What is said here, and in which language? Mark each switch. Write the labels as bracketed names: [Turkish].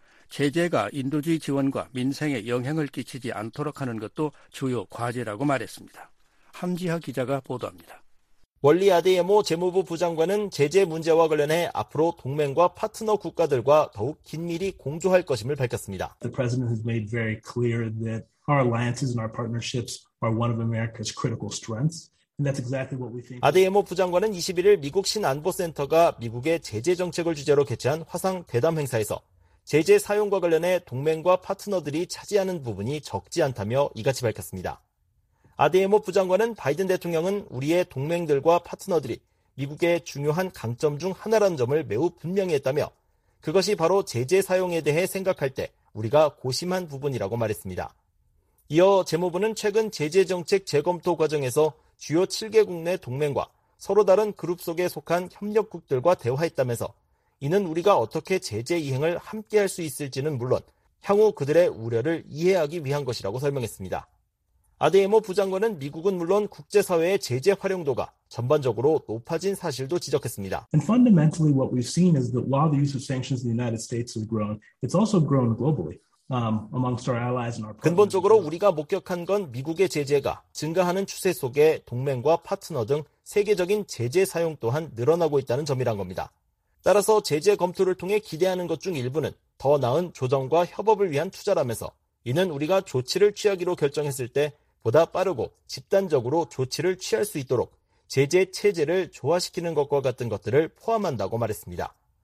[Korean] 제재가 인도주의 지원과 민생에 영향을 끼치지 않도록 하는 것도 주요 과제라고 말했습니다. 함지하 기자가 보도합니다. 월리 아데예모 재무부 부장관은 제재 문제와 관련해 앞으로 동맹과 파트너 국가들과 더욱 긴밀히 공조할 것임을 밝혔습니다. [English] The president has made very clear that our alliances and our partnerships are one of America's critical strengths. [Korean] 아데예모 부장관은 21일 미국 신안보센터가 미국의 제재 정책을 주제로 개최한 화상 대담 행사에서 제재 사용과 관련해 동맹과 파트너들이 차지하는 부분이 적지 않다며 이같이 밝혔습니다. 아데예모 부장관은 바이든 대통령은 우리의 동맹들과 파트너들이 미국의 중요한 강점 중 하나라는 점을 매우 분명히 했다며 그것이 바로 제재 사용에 대해 생각할 때 우리가 고심한 부분이라고 말했습니다. 이어 재무부는 최근 제재 정책 재검토 과정에서 주요 7개국 내 동맹과 서로 다른 그룹 속에 속한 협력국들과 대화했다면서 이는 우리가 어떻게 제재 이행을 함께할 수 있을지는 물론 향후 그들의 우려를 이해하기 위한 것이라고 설명했습니다. 아데예모 부장관은 미국은 물론 국제사회의 제재 활용도가 전반적으로 높아진 사실도 지적했습니다. [English] And fundamentally what we've seen is that while the use of sanctions in the United States has grown, it's also grown globally. Amongst our allies and our partners. [Korean] 근본적으로 우리가 목격한 건 미국의 제재가 증가하는 추세 속에 동맹과 파트너 등 세계적인 제재 사용 또한 늘어나고 있다는 점이란 겁니다. 따라서 제재 검토를 통해 기대하는 것 중 일부는 더 나은 조정과 협업을 위한 투자라면서 이는 우리가 조치를 취하기로 결정했을 때 보다 빠르고 집단적으로 조치를 취할 수 있도록 제재 체제를 조화시키는 것과 같은 것들을 포함한다고 말했습니다.